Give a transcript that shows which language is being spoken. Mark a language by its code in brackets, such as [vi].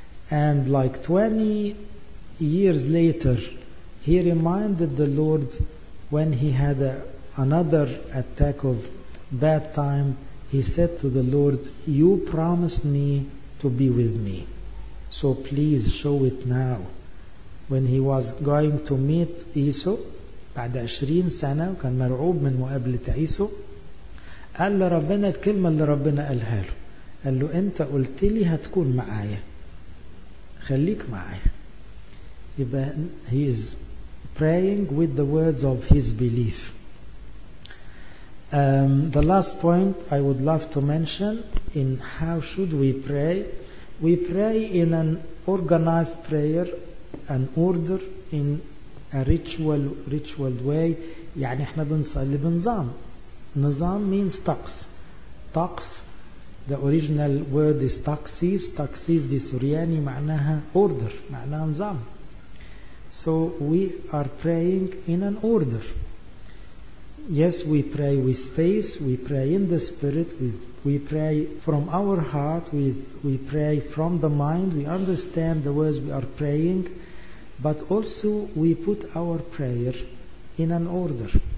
[en] And like 20 years later, he reminded the Lord when he had another attack of bad time. He said to the Lord, you promised me to be with me, so please show it now. When he was going to meet Esau, [ar] بعد 20 سنة وكان مرعوب من مقابلة إيسو، قال لربنا الكلمة اللي ربنا قالها له. قال له انت قلت لي هتكون معايا خليك معايا. يبقى [en] he is praying with the words of his belief. The last point I would love to mention in how should we pray. We pray in an organized prayer, an order, in a ritual way. [ar] يعني احنا بنصلي بنظام. نظام means طقس. [en] طقس, the original word is taxis. [ar] Taxis دي سورياني معناها order, معناها نظام. [en] So we are praying in an order. Yes, we pray with faith, we pray in the spirit, we pray from our heart, we pray from the mind, we understand the words we are praying, but also we put our prayer in an order.